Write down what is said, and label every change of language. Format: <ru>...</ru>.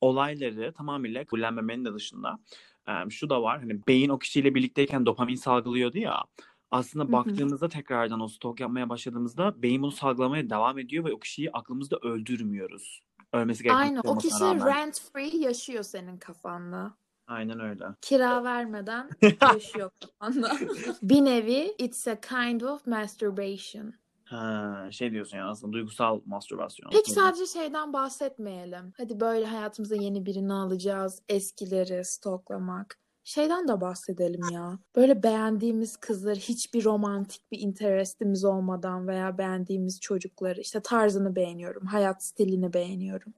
<tr>Olayları tamamıyla kabullenmemenin de dışında. Şu da var, hani beyin o kişiyle birlikteyken dopamin salgılıyordu ya. Aslında baktığımızda tekrardan o stalk yapmaya başladığımızda beyin bunu salgılamaya devam ediyor ve o kişiyi aklımızda öldürmüyoruz. Ölmesi gerekiyor. Aynen, o kişi rağmen</tr> <en>rent free</en> <tr>yaşıyor senin kafanda. Aynen öyle. Kira vermeden yaşıyor kafanda. Bir nevi</tr> <en>it's a kind of masturbation.</en> <tr>Ha, şey diyorsun ya, aslında duygusal mastürbasyon. Peki sadece şeyden bahsetmeyelim. Hadi böyle hayatımıza yeni birini alacağız, eskileri stalklamak. Şeyden de bahsedelim ya. Böyle beğendiğimiz kızlar, hiçbir romantik bir interestimiz olmadan veya beğendiğimiz çocukları, işte tarzını beğeniyorum, hayat stilini beğeniyorum.</tr>